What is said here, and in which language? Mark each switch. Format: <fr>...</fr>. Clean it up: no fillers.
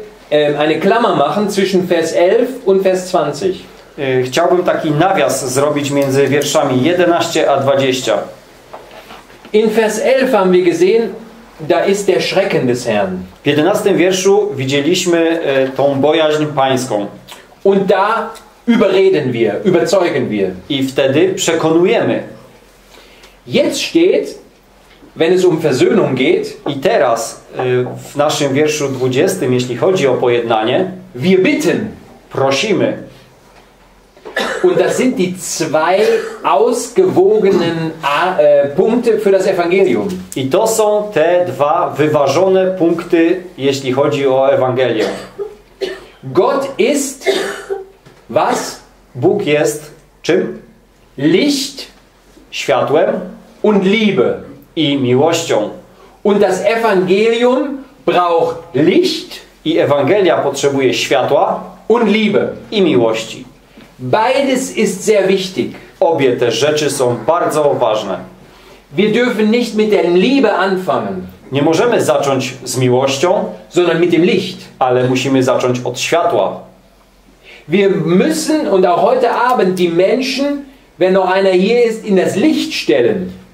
<de>eine Klammer machen zwischen Vers 11 und Vers 20.</de> <pl>Chciałbym taki nawias zrobić między wierszami 11 a 20.</pl> <de>In Vers 11 haben wir gesehen, da ist der Schrecken des Herrn.</de> <pl>W 11 wierszu widzieliśmy tą bojaźń pańską.</pl> <de>Und da überreden wir, überzeugen wir.</de> <pl>I wtedy przekonujemy.</pl> <de>Jetzt steht, wenn es um Versöhnung geht,</de> <pl>i teraz w naszym wierszu 20, jeśli chodzi o pojednanie,</pl> <de>wir bitten,</de> <pl>prosimy.</pl> <de>Und das sind die zwei ausgewogenen Punkte für das Evangelium.</de> <pl>I to są te dwa wyważone punkty, jeśli chodzi o Ewangelię.</pl> <de>Gott ist was?</de> <pl>Bóg jest czym?</pl> <de>Licht,</de> <pl>światłem,</pl> <de>und Liebe,</de> <pl>i miłością.</pl> <de>Und das Evangelium braucht Licht,</de> <pl>i Ewangelia potrzebuje światła,</pl> <de>und Liebe,</de> <pl>i miłości.</pl> <de>Beides ist sehr wichtig.</de> <pl>Obie te rzeczy są bardzo ważne.</pl> <de>Wir dürfen nicht mit der Liebe anfangen.</de> <pl>Nie możemy zacząć z miłością,</pl> <de>sondern mit dem Licht.</de> <pl>Ale musimy zacząć od światła.</pl> <de>Wir müssen und auch heute Abend die Menschen, wenn noch einer hier ist, in das Licht stellen.</de>